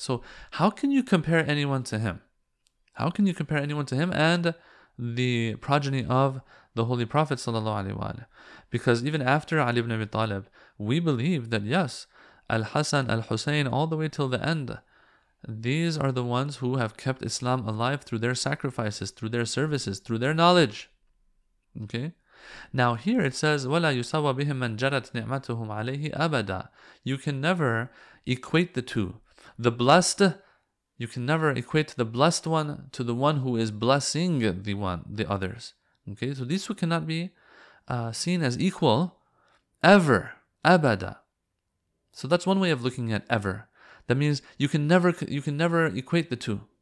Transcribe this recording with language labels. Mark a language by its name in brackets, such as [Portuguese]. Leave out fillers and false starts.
[English] So how can you compare anyone to him? How can you compare anyone to him and the progeny of the Holy Prophet sallallahu alaihi wasallam? Because even after Ali ibn Abi Talib, we believe that yes, Al-Hasan, Al-Husayn, all the way till the end, these are the ones who have kept Islam alive through their sacrifices, through their services, through their knowledge. Okay? Now here it says, [Arabic] وَلَا يُسَوَى بِهِمْ مَنْ جَرَتْ نِعْمَتُهُمْ عَلَيْهِ أَبَدًا. [English] You can never equate the two. The blessed, you can never equate the blessed one to the one who is blessing the others. Okay, so these two cannot be seen as equal ever, abada. So that's one way of looking at ever. That means you can never equate the two.